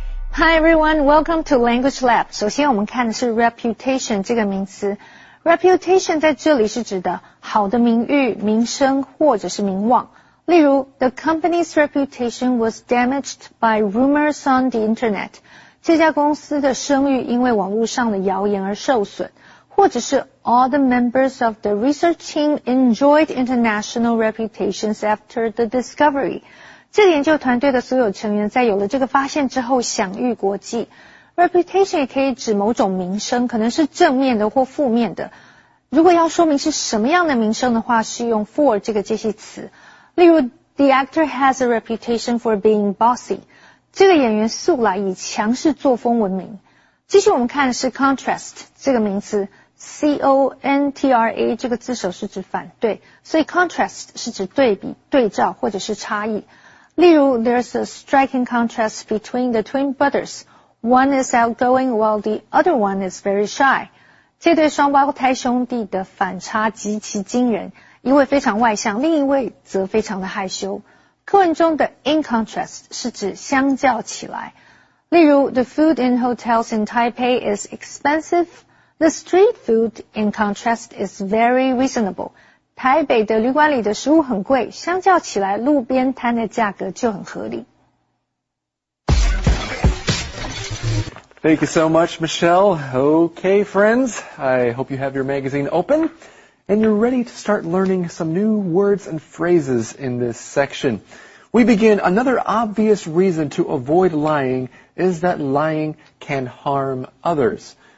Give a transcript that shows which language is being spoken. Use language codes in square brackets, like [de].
[zh] Hi everyone, welcome to Language Lab. 首先我们看的是 reputation 这个名词。 Reputation 在这里是指的好的名誉、名声或者是名望。 [en] 例如 ,the company's reputation was damaged by rumors on the internet. [zh] 这家公司的声誉因为网络上的谣言而受损。 [en] 或者是 ,all the members of the research team enjoyed international reputations after the discovery. [zh] 这个研究团队的所有成员在有了这个发现之后享誉国际。 Reputation 也可以指某种名声，可能是正面的或负面的。如果要说明是什么样的名声的话，是用 for 这个介系词。 [en] 例如 ,the actor has a reputation for being bossy. [zh] 这个演员素来以强势作风闻名。继续我们看的是 contrast, 这个名词 ,C-O-N-T-R-A, 这个字首是指反对。所以 contrast 是指对比、对照或者是差异。 [en] 例如 ,there's a striking contrast between the twin brothers. One is outgoing while the other one is very shy. [zh] 这对双胞胎兄弟的反差极其惊人。一位非常外向，另一位则非常的害羞。课文中的 in contrast 是指相较起来。 [en] 例如 ,the food in hotels in Taipei is expensive. The street food in contrast is very reasonable. [zh] 台北的旅馆里的食物很贵，相较起来路边摊的价格就很合理。 [en] Thank you so much, Michelle. Okay, friends, I hope you have your magazine open. And you're ready to start learning some new words and phrases in this section. We begin, another obvious reason to avoid lying is that lying can harm others.